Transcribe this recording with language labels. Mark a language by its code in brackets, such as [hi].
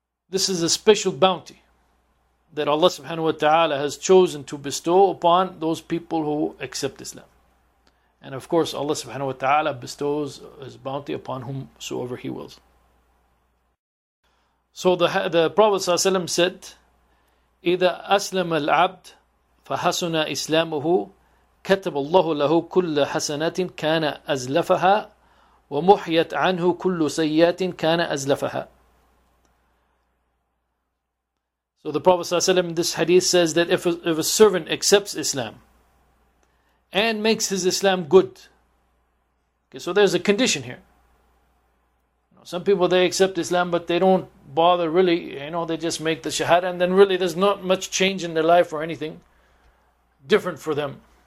[en] This is a special bounty that Allah subhanahu wa ta'ala has chosen to bestow upon those people who accept Islam. And of course, Allah subhanahu wa ta'ala bestows his bounty upon whomsoever he wills. So the Prophet ﷺ said, [ar] إِذَا أَسْلَمَ الْعَبْدِ فَحَسُنَ إِسْلَامُهُ كَتَبَ اللَّهُ لَهُ كُلَّ حَسَنَةٍ كَانَ أَزْلَفَهَا وَمُحْيَتْ عَنْهُ كُلُّ سَيِّئَةٍ كَانَ أَزْلَفَهَا. [en] So the Prophet ﷺ in this hadith says that if a servant accepts Islam and makes his Islam good, okay, so there's a condition here. Some people, they accept Islam, but they don't bother really, you know, they just make the shahada, and then really there's not much change in their life or anything different for them.